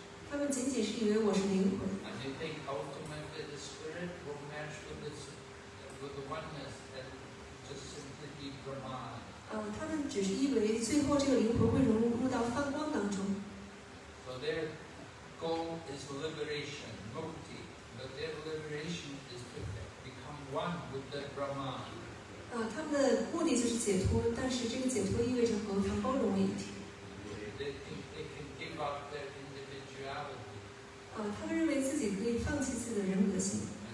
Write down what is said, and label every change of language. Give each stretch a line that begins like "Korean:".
Chinese: 他们仅仅是以为我是灵魂。他们只是以为最后这个灵魂会融入到梵光当中。
English: So their goal is liberation, mukti, but their liberation is different. One with the Brahman.
Chinese: 他们的目的就是解脱，但是这个解脱意味着和他包容为一体。
English: They can give up their individuality.
Chinese: 他们认为自己可以放弃自己的人格性。